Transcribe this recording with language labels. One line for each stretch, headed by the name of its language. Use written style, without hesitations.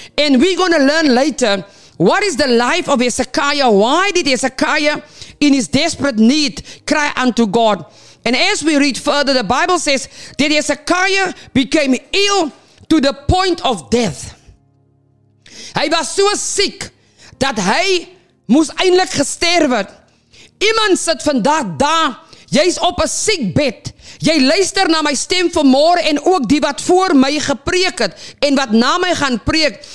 English: And we're going to learn later, what is the life of Hezekiah? Why did Hezekiah in his desperate need cry unto God? And as we read further, the Bible says that Hezekiah became ill to the point of death.
Afrikaans: Hy was so siek dat hy moes eindelijk gesterf het. Iemand sit vandag daar, jy is op 'n siek bed. Jy luister na my stem vanmôre en ook die wat voor my gepreek het en wat na my gaan preek.